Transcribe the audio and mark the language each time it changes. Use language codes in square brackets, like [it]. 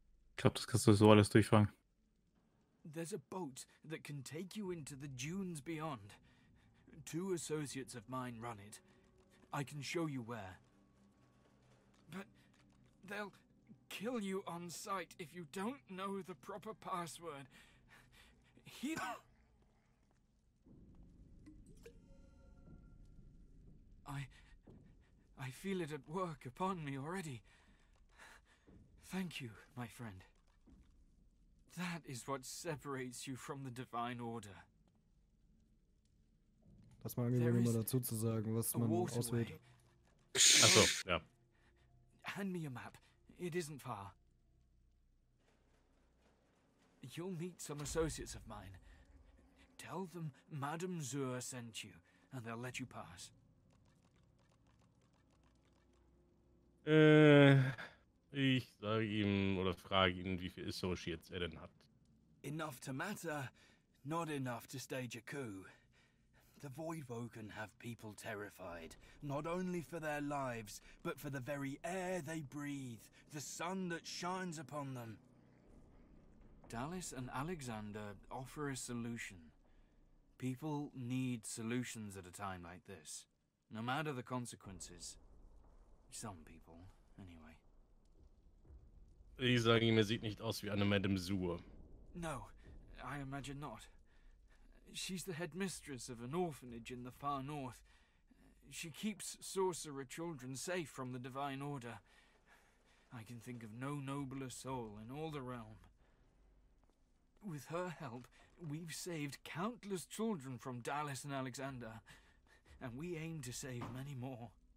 [de] Ich glaube, das kannst du so alles durchfragen. [en] There's a boat that can take you into the dunes beyond. Two associates of mine run it. I can show you where. But they'll kill you on sight if you don't know the proper password. Here. I feel it at work upon me already. Thank you, my friend. That is what separates you from the Divine Order. [de] Das mal angenehm, immer dazu zu sagen, was man auswählt. Achso, ja. [en] Hand me a map. It isn't far. You'll meet some associates of mine. Tell them Madame Zur sent you, and they'll let you pass. [de] Ich sage ihm oder frage ihn, wie viel Associates er denn hat. [en] Enough to matter, not enough to stage a coup. The Voidwoken have people terrified, not only for their lives, but for the very air they breathe, the sun that shines upon them. Dallas and Alexander offer a solution. People need solutions at a time like this, no matter the consequences. Some people, anyway. [de] Ich sage ihm, er sieht nicht aus wie eine Madame Zur. [en] No, I imagine not. She's the headmistress of an orphanage in the far north. She keeps sorcerer children safe from the Divine Order. I can think of no nobler soul in all the realm. With her help, we've saved countless children from Dallas and Alexander, and we aim to save many more.